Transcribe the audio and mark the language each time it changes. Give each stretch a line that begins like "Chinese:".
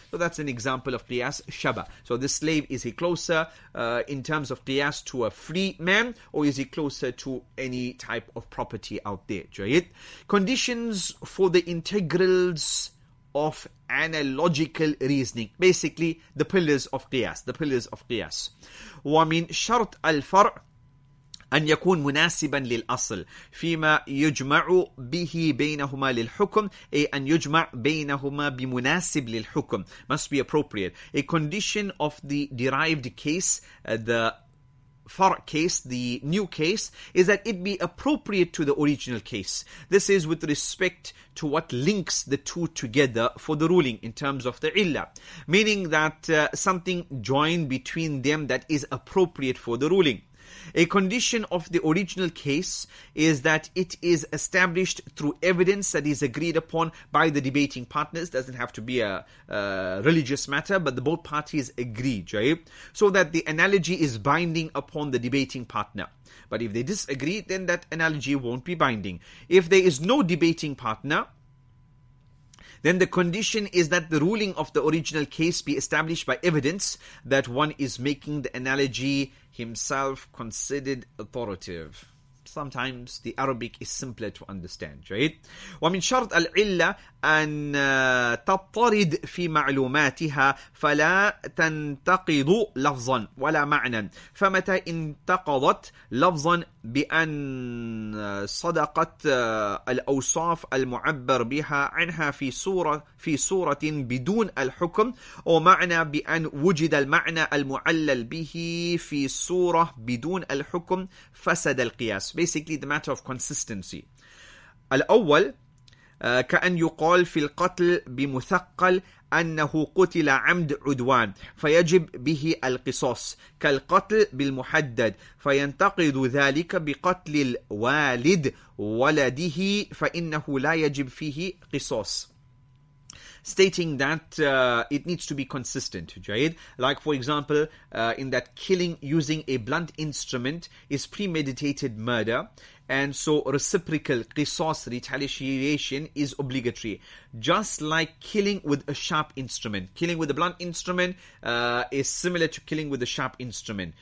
English: So that's an example of qiyas shaba. So this slave, is he closer in terms of qiyas to a free man, or is he closer to any type of property out there? Right? Conditions for the integrals of analogical reasoning. Basically, the pillars of qiyas. The pillars of qiyas.
Arabic: Wa min shart al-far' أن يكون مناسبا للأصل فيما يجمع به بينهما للحكم أي أن يجمع بينهما بمناسب للحكم
English: must be appropriate. A condition of the derived case, the far case, the new case, is that it be appropriate to the original case. This is with respect to what links the two together for the ruling in terms of the illah, meaning that something joined between them that is appropriate for the ruling. A condition of the original case is that it is established through evidence that is agreed upon by the debating partners. Doesn't have to be a religious matter, but the both parties agree, right? So that the analogy is binding upon the debating partner. But if they disagree, then that analogy won't be binding. If there is no debating partner, then the condition is that the ruling of the original case be established by evidence that one is making the analogy himself considered authoritative. Sometimes the Arabic is simpler to understand, right?
Arabic: ومن شرط العلة أن تطرد في معلوماتها فلا تنتقض لفظا ولا معنى فمتى انتقضت لفظا بأن صدقت الأوصاف المعبر بها عنها في صورة بدون الحكم أو معنى بأن وجد المعنى المعلل به في صورة بدون الحكم فسد القياس.
English: Basically, the matter of consistency.
Arabic: الأول كأن يقال في القتل بمثقل أنه قتل عمد عدوان فيجب به القصاص كالقتل بالمحدد، فينتقد ذلك بقتل الوالد ولده فإنه لا يجب فيه قصاص.
English: Stating that it needs to be consistent, Jayed. Like, for example, in that killing using a blunt instrument is premeditated murder, and so reciprocal qisas, retaliation, is obligatory. Just like killing with a sharp instrument. Killing with a blunt instrument is similar to killing with a sharp instrument.